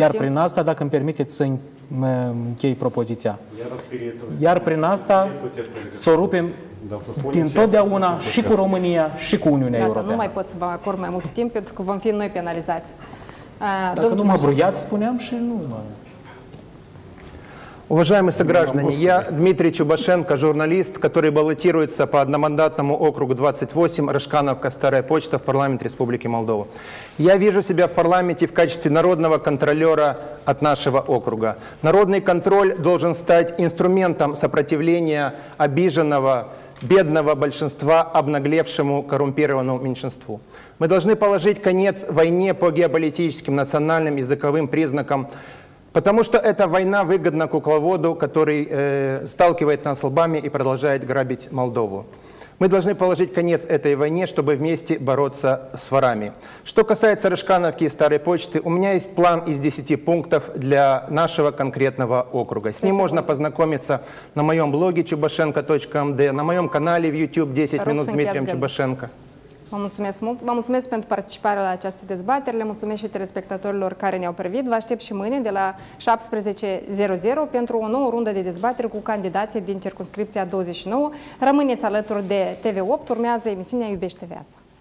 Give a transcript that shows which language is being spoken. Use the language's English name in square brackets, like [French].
[Romanian] Iar prin asta, dacă îmi permiteți să închei propoziția. Iar prin asta, să rupem dintotdeauna și cu România și cu Uniunea Europeană. Nu mai pot să vă acord mai mult timp, pentru că vom fi noi penalizați. Dacă nu mă vruiați, spuneam și nu... [Russian] Уважаемые сограждане, я Дмитрий Чубашенко, журналист, который баллотируется по одномандатному округу 28, Рожкановка, Старая Почта в парламент Республики Молдова. Я вижу себя в парламенте в качестве народного контролера от нашего округа. Народный контроль должен стать инструментом сопротивления обиженного, бедного большинства обнаглевшему коррумпированному меньшинству. Мы должны положить конец войне по геополитическим, национальным, языковым признакам, потому что эта война выгодна кукловоду, который сталкивает нас лбами и продолжает грабить Молдову. Мы должны положить конец этой войне, чтобы вместе бороться с ворами. Что касается Рыжкановки и Старой почты, у меня есть план из 10 пунктов для нашего конкретного округа. С ним можно познакомиться на моем блоге чубашенко.md, на моем канале в YouTube 10 минут с Дмитрием Чубашенко. [Romanian] Vă mulțumesc mult! Vă mulțumesc pentru participarea la această dezbatere, le mulțumesc și telespectatorilor care ne-au privit. Vă aștept și mâine de la 17.00 pentru o nouă rundă de dezbatere cu candidații din circunscripția 29. Rămâneți alături de TV8, urmează emisiunea Iubește Viața!